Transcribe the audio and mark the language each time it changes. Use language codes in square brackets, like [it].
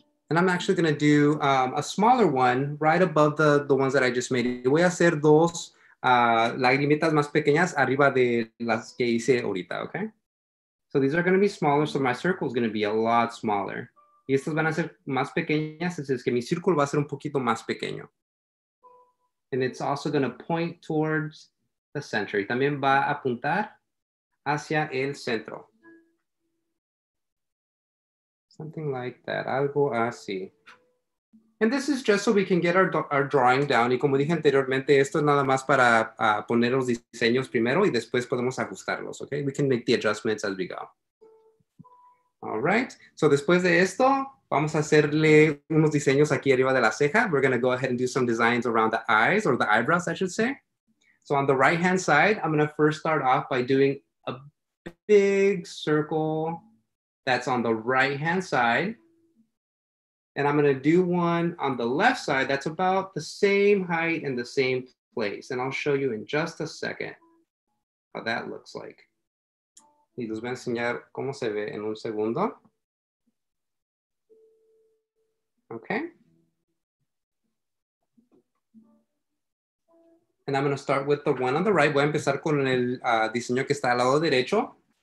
[en] And I'm actually going to do a smaller one right above the ones that I just made. [es] Voy a hacer dos lagrimitas más pequeñas arriba de las que hice ahorita, ¿ok? [en] So these are going to be smaller, so my circle is going to be a lot smaller. [es] Y estas van a ser más pequeñas, es que mi círculo va a ser un poquito más pequeño. [en] And it's also going to point towards the center. [es] Y también va a apuntar hacia el centro. [en] Something like that, [es] algo así. [en] And this is just so we can get our drawing down. [es] Y como dije anteriormente, esto es nada más para poner los diseños primero y después podemos ajustarlos, okay? [en] We can make the adjustments as we go. [es] All right, so después de esto, vamos a hacerle unos diseños aquí arriba de la ceja. [en] We're gonna go ahead and do some designs around the eyes or the eyebrows, I should say. So on the right-hand side, I'm gonna first start off by doing a big circle that's on the right-hand side. And I'm gonna do one on the left side that's about the same height and the same place. And I'll show you in just a second how that looks like. [es] Y les voy a enseñar cómo se ve en un segundo. [en] Okay. And I'm gonna start with the one on the right. [es] Voy a empezar con el diseño que está al lado derecho.